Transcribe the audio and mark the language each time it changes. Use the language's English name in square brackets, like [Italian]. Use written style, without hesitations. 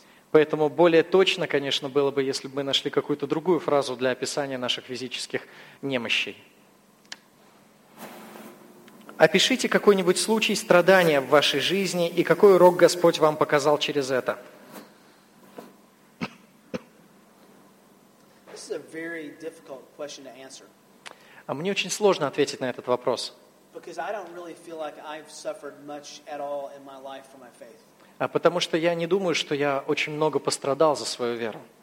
[Russian] Поэтому более точно, конечно, было бы, если бы мы нашли какую-то другую фразу для описания наших физических немощей. Опишите какой-нибудь случай страдания в вашей жизни и какой урок Господь вам показал через это. [English] This is a very difficult question to answer. [Russian] А мне очень сложно ответить на этот вопрос. [English] Because I don't really feel like I've suffered much at all in my life for my faith. [Russian] Потому что я не думаю, что я очень много пострадал за свою веру.